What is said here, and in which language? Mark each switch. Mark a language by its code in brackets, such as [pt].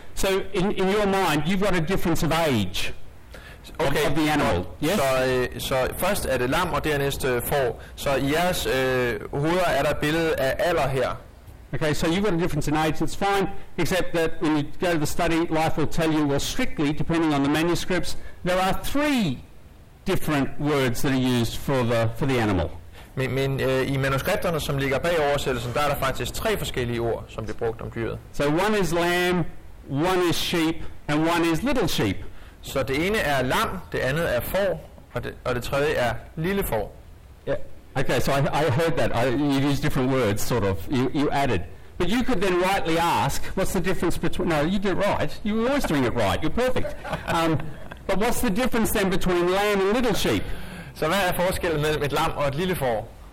[en] So in your mind, you've got a difference of age. Okay. Of the animal. Yes. So first [da] er det lam, og dernæst får. So i jeres hoveder er der et billede af alder her. Okay. [en] So you've got a difference in age. It's fine, except that when you go to the study, life will tell you, well, strictly, depending on the manuscripts, there are three different words that are used for the animal. [da] Men i manuskripterne, som ligger bag oversættelsen, der er der faktisk tre forskellige ord, som bliver brugt om dyret. [en] So one is lamb, one is sheep, and one is little sheep. [da] Så det ene er lam, det andet er får, og det tredje er lille får. [en] Yeah. Okay, so I heard that. You used different words, sort of. You added. But you could then rightly ask, what's the difference between... No, you did it right. You were always doing it right. You're perfect. But what's the difference then between lamb and little sheep? [da] Så hvad er forskellen mellem et lam og et lille får?